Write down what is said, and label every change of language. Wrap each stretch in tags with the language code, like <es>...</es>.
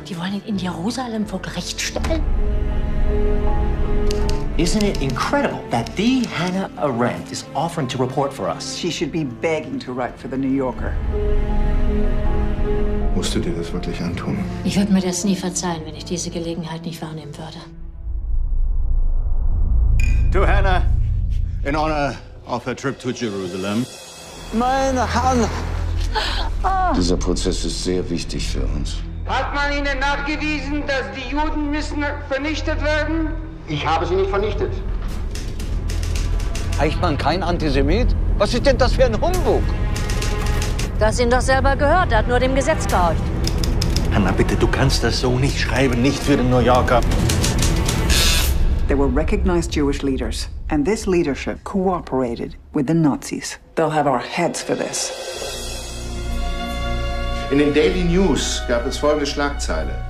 <de>Die wollen ihn in Jerusalem vor Gericht stellen.</de> <en>Isn't it incredible that the Hannah Arendt is offering to report for us? She should be begging to write for the New Yorker.</en> <de>Musst du dir das wirklich antun? Ich würde mir das nie verzeihen, wenn ich diese Gelegenheit nicht wahrnehmen würde.</de> <en>To Hannah, in honor of her trip to Jerusalem.</en> <de>Meine Hand! Dieser Prozess ist sehr wichtig für uns. Hat man Ihnen nachgewiesen, dass die Juden müssen vernichtet werden? Ich habe sie nicht vernichtet. Eichmann, kein Antisemit? Was ist denn das für ein Humbug? Du hast ihn doch selber gehört, er hat nur dem Gesetz gehorcht. Hannah, bitte, du kannst das so nicht schreiben, nicht für den New Yorker.</de> <en>There were recognized Jewish leaders, and this leadership cooperated with the Nazis. They'll have our heads for this.</en> <de>In den Daily News gab es folgende Schlagzeile.</de>